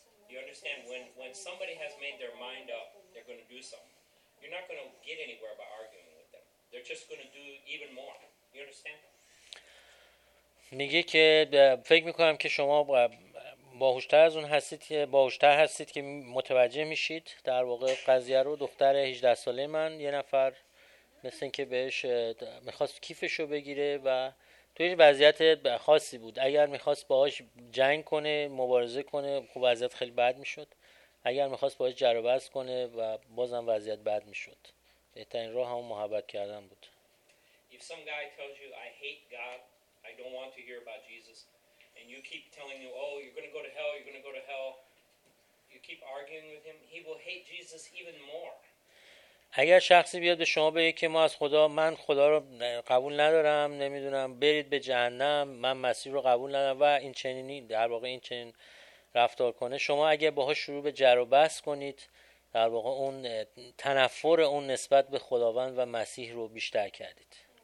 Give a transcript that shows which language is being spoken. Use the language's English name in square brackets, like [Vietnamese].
[English] You understand? When somebody has made their mind up, they're going to do something. You're not going to get anywhere by arguing with them. They're just going to do even more. You understand? [Persian] میگه که فکر میکنم که شما باهوشتر از اون هستید، باهوشتر هستید که متوجه میشید در واقع قضیه رو. دختر 18 ساله من یه نفر مثل این که بهش میخواست کیفش رو بگیره و توی یه وضعیت خاصی بود، اگر میخواست باهاش جنگ کنه، مبارزه کنه، خب وضعیت خیلی بد میشد. اگر میخواست باهاش جر و بحث کنه و بازم وضعیت بد میشد. بهترین راه همون محبت کردن بود. [English] If some guy tells you I hate God, I don't want to hear about Jesus, and you keep telling you, oh, you're going to go to hell, you keep arguing with him, he will hate Jesus even more. [Persian] اگر شخصی بیاد به شما بگه که من خدا رو قبول ندارم، نمیدونم، برید به جهنم، من مسیح رو قبول ندارم و این چنینی، در واقع این چنین رفتار کنه، شما اگر باهاش شروع به جر و بحث کنید در واقع اون تنفر اون نسبت به خداوند و مسیح رو بیشتر کردید.